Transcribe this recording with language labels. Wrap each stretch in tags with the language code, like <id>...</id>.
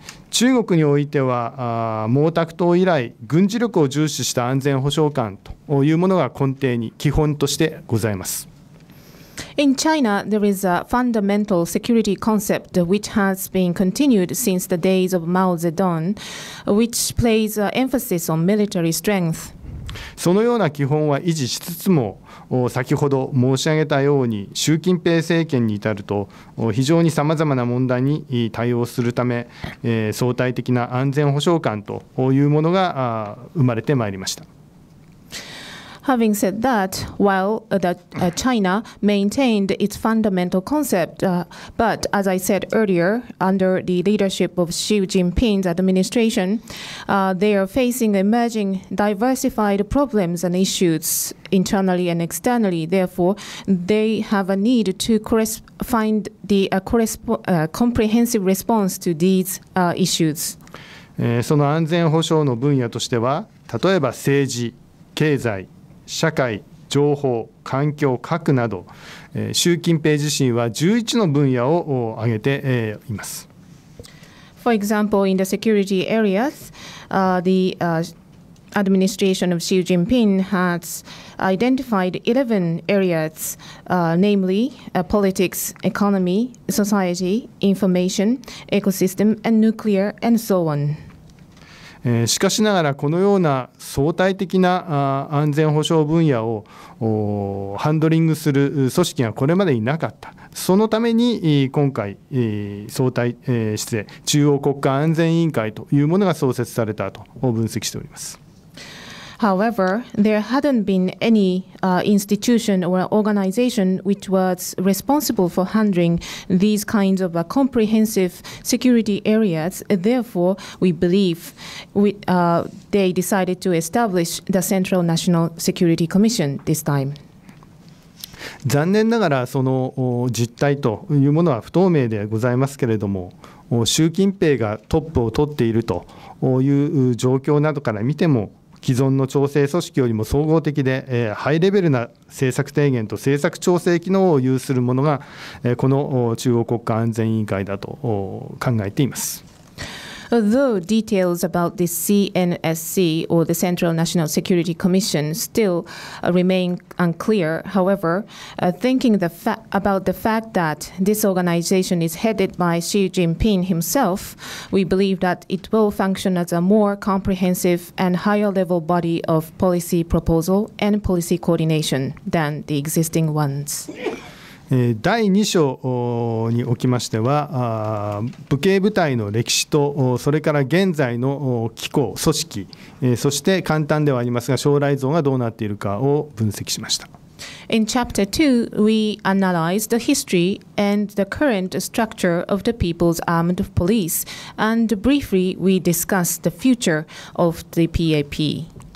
<ja>中国においては、毛沢東以来、軍事力を重視した安全保障観というものが根底に基本としてございます。</ja> <en>In China, there is a fundamental security concept which has been continued since the days of Mao Zedong, which plays an emphasis on military strength.</en> <ja>そのような基本は維持しつつも、先ほど申し上げたように、習近平政権に至ると、非常にさまざまな問題に対応するため、相対的な安全保障観というものが生まれてまいりました。</ja> <en>Having said that, while China maintained its fundamental concept, but as I said earlier, under the leadership of Xi Jinping's administration, they are facing emerging diversified problems and issues internally and externally. Therefore, they have a need to find the comprehensive response to these issues.</en> <ja>その安全保障の分野としては、例えば政治、経済、社会、情報、環境、核など、習近平自身は11の分野を挙げています。</ja> <en>For example, in the security areas, administration of Xi Jinping has identified 11 areas, namely politics, economy, society, information, ecosystem, and nuclear, and so on.</en> <ja>しかしながら、このような相対的な安全保障分野をハンドリングする組織がこれまでになかった。そのために今回、相対失礼、中央国家安全委員会というものが創設されたと分析しております。</ja> <en>However, there hadn't been any institution or organization which was responsible for handling these kinds of comprehensive security areas. Therefore, we believe they decided to establish the Central National Security Commission this time.</en> <ja>残念ながらその実態というものは不透明でございますけれども、習近平がトップを取っているという状況などから見ても、既存の調整組織よりも総合的で、ハイレベルな政策提言と政策調整機能を有するものが、この中央国家安全委員会だと考えています。</ja> <en>Although details about the CNSC or the Central National Security Commission still remain unclear, however, thinking about the fact that this organization is headed by Xi Jinping himself, we believe that it will function as a more comprehensive and higher level body of policy proposal and policy coordination than the existing ones.</en> <ja>第2章におきましては、武警部隊の歴史とそれから現在の機構組織、そして簡単ではありますが将来像がどうなっているかを分析しました。</ja> <en>In chapter 2, we analyzed the history and the current structure of the People's Armed Police, and briefly we discussed the future of the PAP.</en>